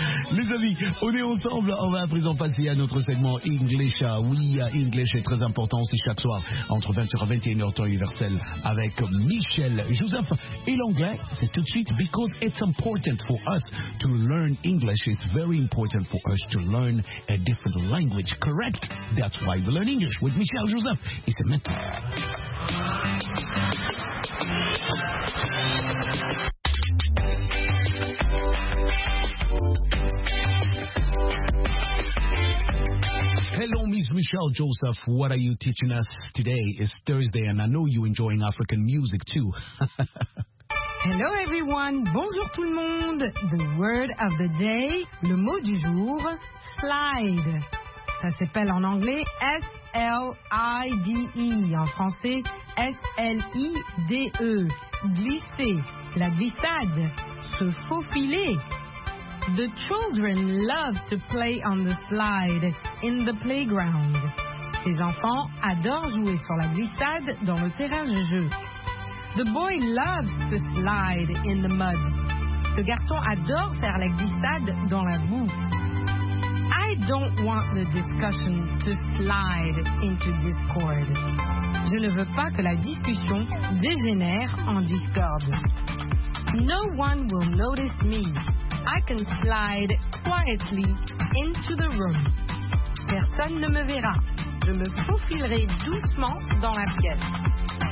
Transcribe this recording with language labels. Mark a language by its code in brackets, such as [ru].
[fr] Les amis, on est ensemble, on va à présent passer à notre segment English. Oui, English est très important aussi chaque soir, entre 20h et 21h, temps universel, avec Michel Joseph. Et l'anglais, c'est tout de suite, [en] because it's important for us to learn English, it's very important for us to learn a different language, correct? That's why we learn English with Michel Joseph. [fr] Et c'est maintenant. [en] Hello, Miss Michelle Joseph. What are you teaching us today? It's Thursday and I know you're enjoying African music too. Hello everyone. [fr] Bonjour tout le monde. [en] The word of the day, [fr] le mot du jour, [en] slide. [fr] Ça s'appelle en anglais S-L-I-D-E. En français, S-L-I-D-E. Glisser, la glissade, se faufiler. [en] The children love to play on the slide in the playground. [fr] Les enfants adorent jouer sur la glissade dans le terrain de jeu. [en] The boy loves to slide in the mud. [fr] Le garçon adore faire la glissade dans la boue. [en] I don't want the discussion to slide into discord. [fr] Je ne veux pas que la discussion dégénère en discorde. [en] No one will notice me. I can slide quietly into the room. [fr] Personne ne me verra. Je me faufilerai doucement dans la pièce.